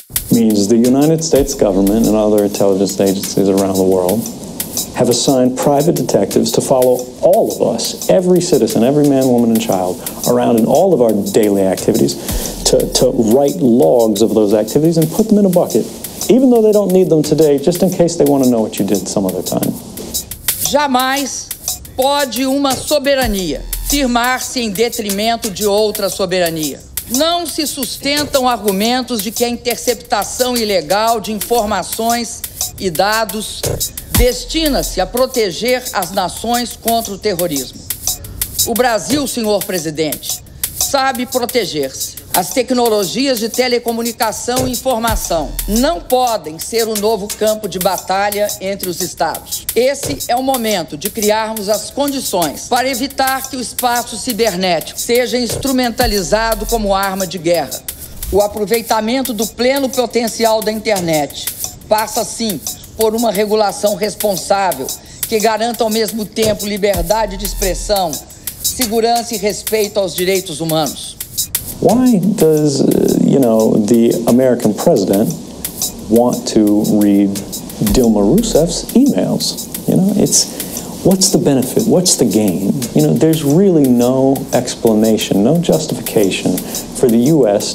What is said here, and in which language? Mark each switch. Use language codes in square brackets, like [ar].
[en] Means the United States government and other intelligence agencies around the world have assigned private detectives to follow all of us, every citizen, every man, woman, and child around in all of our daily activities to write logs of those activities and put them in a bucket, even though they don't need them today, just in case they want to know what you did some other time. [pt] Jamais pode uma soberania firmar-se em detrimento de outra soberania. Não se sustentam argumentos de que a interceptação ilegal de informações e dados destina-se a proteger as nações contra o terrorismo. O Brasil, senhor presidente, sabe proteger-se. As tecnologias de telecomunicação e informação não podem ser o novo campo de batalha entre os Estados. Esse é o momento de criarmos as condições para evitar que o espaço cibernético seja instrumentalizado como arma de guerra. O aproveitamento do pleno potencial da internet passa, sim, por uma regulação responsável que garanta, ao mesmo tempo, liberdade de expressão, segurança e respeito aos direitos humanos. [en] Why does, you know, the American president want to read Dilma Rousseff's emails? You know, it's, what's the benefit? What's the gain? You know, there's really no explanation, no justification for the U.S.